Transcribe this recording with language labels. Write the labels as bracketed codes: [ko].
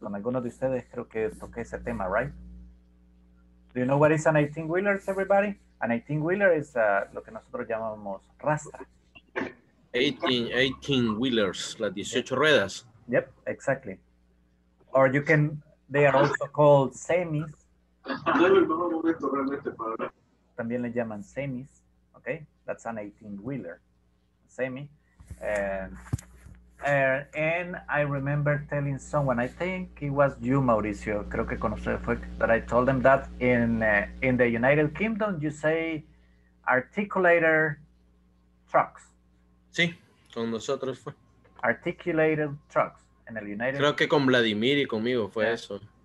[es] Con algunos de ustedes creo que toqué ese tema, right? [en] Do you know what is an 18-wheeler, everybody? An 18-wheeler is [es] lo que nosotros llamamos rastra. 18-wheelers, las 18 ruedas. [en] Yep, exactly. Or you can, they are also called semis. [es] También le llaman semis, [en] okay? That's an 18-wheeler, semi. And I remember telling someone, I think it was you, Mauricio, [es] creo que con usted fue, [en] but I told them that in the United Kingdom, you say articulator trucks. [es] Sí, con nosotros fue. [en] Articulated trucks in the United Kingdom. [es] Creo que con Vladimir y conmigo fue eso.